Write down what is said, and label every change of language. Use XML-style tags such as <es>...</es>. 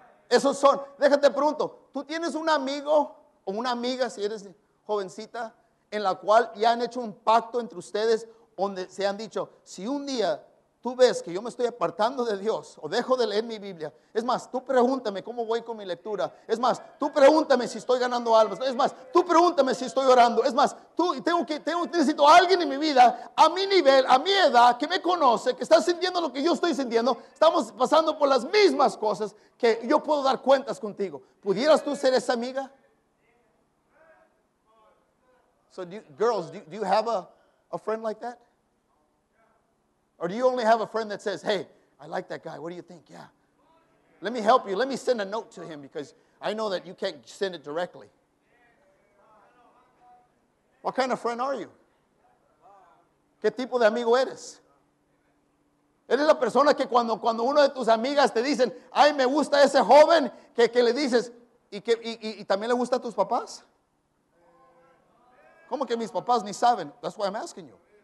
<es>Esos son, déjate pronto, ¿tú tienes un amigo o una amiga, si eres jovencita, en la cual ya han hecho un pacto entre ustedes donde se han dicho, si un día tú ves que yo me estoy apartando de Dios o dejo de leer mi Biblia, es más, tú pregúntame cómo voy con mi lectura, es más, tú pregúntame si estoy ganando almas, es más, tú pregúntame si estoy orando, es más, tú necesito a alguien en mi vida, a mi nivel, a mi edad, que me conoce, que está sintiendo lo que yo estoy sintiendo, estamos pasando por las mismas cosas, que yo puedo dar cuentas contigo. ¿Pudieras tú ser esa amiga?</es> <en>So, do you have a friend like that? Or do you only have a friend that says, hey, I like that guy. What do you think? Yeah. Let me help you. Let me send a note to him because I know that you can't send it directly. What kind of friend are you?</en> <es>¿Qué tipo de amigo eres? Eres la persona que cuando una de tus amigas te dicen, ay, me gusta ese joven, que le dices, ¿y también le gusta a tus papás? ¿Cómo que mis papás ni saben?</es> <en>That's why I'm asking you.</en>